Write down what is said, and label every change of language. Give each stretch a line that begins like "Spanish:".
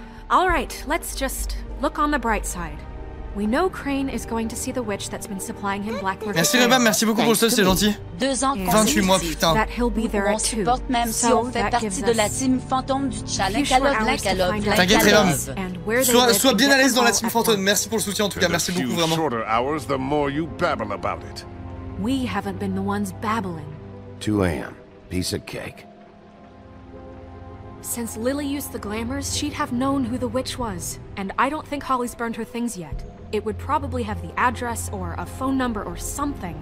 English: All right, let's just look on the bright side. We know Crane is going to see the witch that's been supplying him black mercury.
French: Merci Reba, merci beaucoup pour ça, c'est gentil. 28 mois, putain.
English: That he'll be there at 2.
French: On même si on fait partie de la team fantôme du challenge. T'inquiète Reba. Sois bien à l'aise dans la team fantôme. Merci pour le soutien en tout cas, merci beaucoup vraiment.
English: The shorter hours, the more you babble about it. We haven't been the ones babbling. 2 a.m. Piece of cake. Since Lily used the glamours, she'd have known who the witch was. And I don't think Holly's burned her things yet. It would probably have the address or a phone number or something.